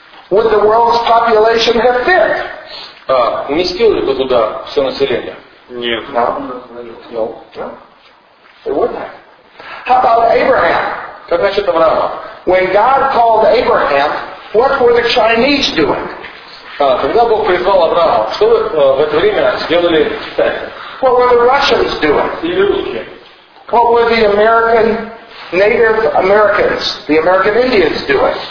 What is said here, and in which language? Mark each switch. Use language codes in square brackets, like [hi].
[en] Would the world's population have fit? [ru] Уместил ли бы туда все население? Нет. [en] No. No. It wouldn't. How about Abraham? [ru] Как насчет Авраама? [en] When God called Abraham, what were the Chinese doing? [ru] Когда Бог призвал Авраама, что в это время сделали китайцы? [en] What were the Russians doing? [ru] Или русские? [en] What were the American Native Americans, the American Indians doing?